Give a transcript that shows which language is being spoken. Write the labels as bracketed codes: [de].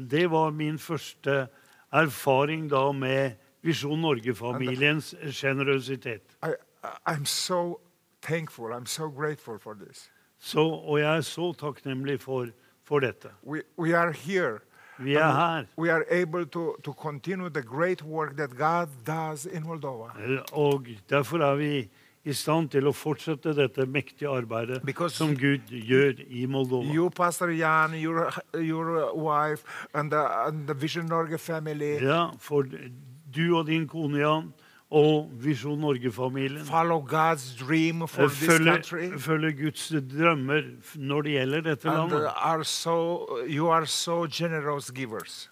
[no] Det var min første erfaring da med Vision Norge-familiens generøsitet. [en] I'm so thankful, I'm so grateful for this. [no] Så, og jeg så takknemlig for dette. [en] We are here. [no] Vi her. [en] We are able to continue the great work that God does in Moldova. [no] Og derfor vi I stand til å fortsette dette mektige arbeidet [en] because [no] som Gud gjør I Moldova. [en] You, Pastor Jan, your wife, and the Vision Norge family. [no] Ja, for du og din kone Jan, og Visjon Norge-familien. [en] Follow God's dream for this country. [no] Følge Guds drømmer når det gjelder dette landet. [en] You are so generous givers.